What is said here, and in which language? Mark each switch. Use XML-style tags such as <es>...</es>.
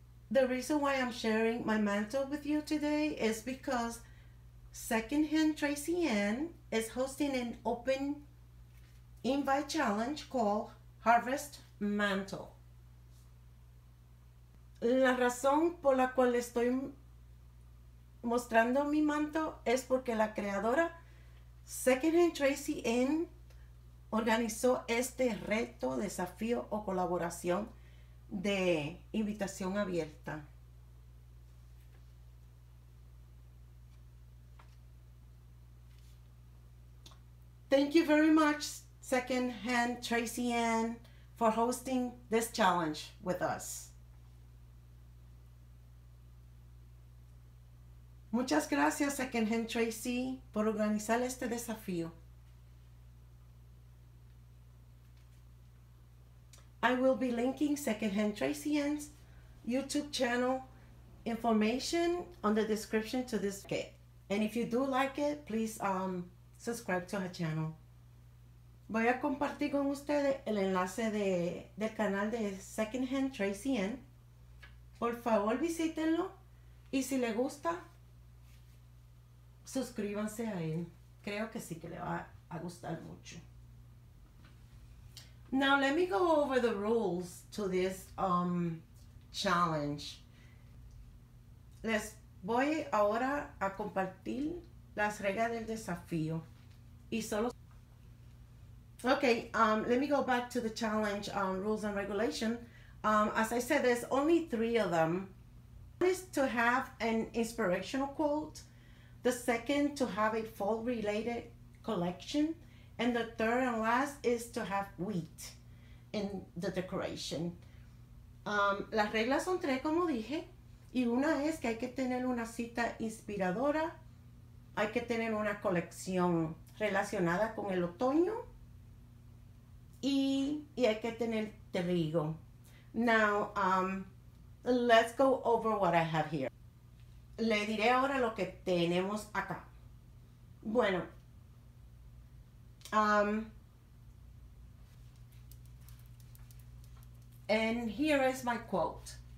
<en>The reason why I'm sharing my mantle with you today is because Secondhand Tracy Ann is hosting an open invite challenge called Harvest Mantle.</en> <es>La razón por la cual estoy mostrando mi manto es porque la creadora Secondhand Tracy Ann organizó este reto, desafío o colaboración de invitación abierta.</es> <en>Thank you very much, Secondhand Tracy Ann, for hosting this challenge with us.</en> <es>Muchas gracias a Secondhand Tracy por organizar este desafío.</es> <en>I will be linking Secondhand Tracy Ann's YouTube channel information on the description to this kit. And if you do like it, please subscribe to her channel.</en> <es>Voy a compartir con ustedes el enlace del canal de Secondhand Tracy Ann. Por favor, visítenlo y si le gusta, suscríbanse a él. Creo que sí que le va a gustar mucho.</es> <en>Now let me go over the rules to this challenge.</en> <es>Les voy ahora a compartir las reglas del desafío. Y solo.</es> <en>Okay, let me go back to the challenge rules and regulation. As I said, there's only three of them. One is to have an inspirational quote. The second, to have a fall-related collection. And the third and last is to have wheat in the decoration.</en> <es>Las reglas son tres, como dije, y una es que hay que tener una cita inspiradora, hay que tener una colección relacionada con el otoño y hay que tener trigo.</es> <en>Now, let's go over what I have here.</en> <es>Le diré ahora lo que tenemos acá. Bueno,</es> <en>and here is my quote.</en>